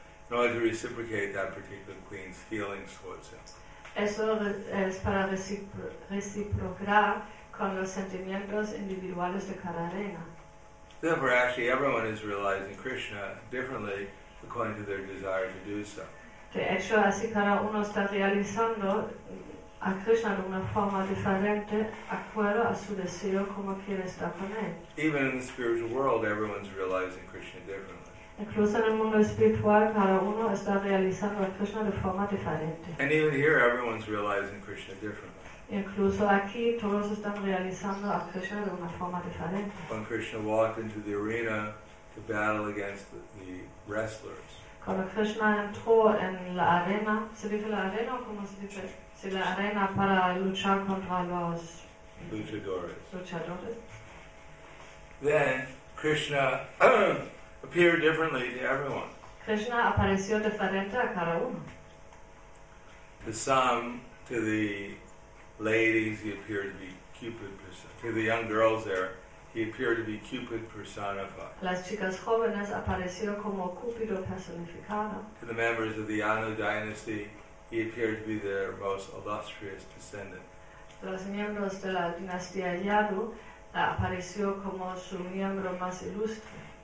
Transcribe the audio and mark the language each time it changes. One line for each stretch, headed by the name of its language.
English: In order to reciprocate that particular queen's feelings towards him.
Spanish: Eso es para reciprocar con los sentimientos individuales de cada reina.
English: Therefore, actually, everyone is realizing Krishna differently according to their desire to do so.
Spanish: De hecho, así cada uno está realizando a Krishna de una forma diferente acuerdo a su deseo como quiere estar con él.
English: Even in the spiritual world, everyone's realizing Krishna differently.
Spanish: Incluso en el mundo espiritual, cada uno está realizando a Krishna de forma diferente.
English: And even here, everyone's realizing Krishna differently.
Spanish: Incluso aquí, todos están realizando a Krishna de una forma diferente.
English: When Krishna walked into the arena to battle against the wrestlers,
Spanish: cuando Krishna entró en la arena, ¿se dice la arena o cómo se dice? Si la arena para luchar contra los
English: luchadores. Then Krishna appeared differently to everyone.
Spanish: Krishna apareció diferente a cada uno.
English: To some, to the ladies, he appeared to be Cupid. To the young girls there, he appeared to be Cupid personified.
Spanish: Las chicas jóvenes apareció como Cúpido personificado.
English: To the members of the Anu dynasty, he appeared to be their most illustrious descendant.
Spanish: Los miembros de la dinastía Yadu apareció como su miembro más ilustre.